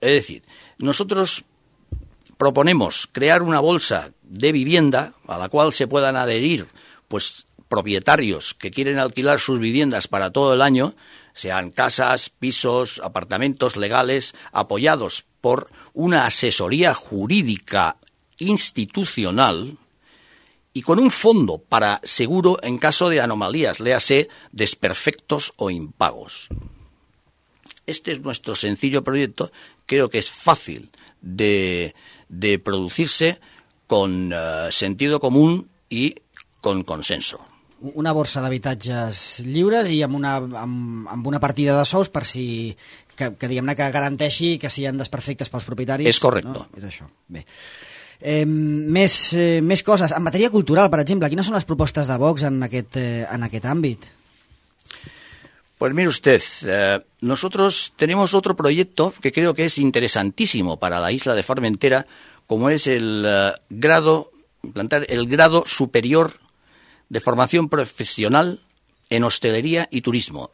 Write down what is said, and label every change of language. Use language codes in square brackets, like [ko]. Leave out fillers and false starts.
[es] Es decir, nosotros proponemos crear una bolsa de vivienda a la cual se puedan adherir pues propietarios que quieren alquilar sus viviendas para todo el año, sean casas, pisos, apartamentos legales, apoyados por una asesoría jurídica institucional y con un fondo para seguro en caso de anomalías, léase desperfectos o impagos. Este es nuestro sencillo proyecto. Creo que es fácil de producirse con sentido común y con consenso. [ca] Una borsa d'habitatges lliures i amb una partida de sous per si que diguem-ne que garanteixi que si hi ha desperfectes pels propietaris. És correcte. No? És això. Bé. Més coses. En matèria cultural, per exemple, quines són les propostes de Vox en aquest àmbit? [es] Pues mire usted, nosotros tenemos otro proyecto que creo que es interesantísimo para la isla de Formentera, como es el grado superior de formación profesional en hostelería y turismo.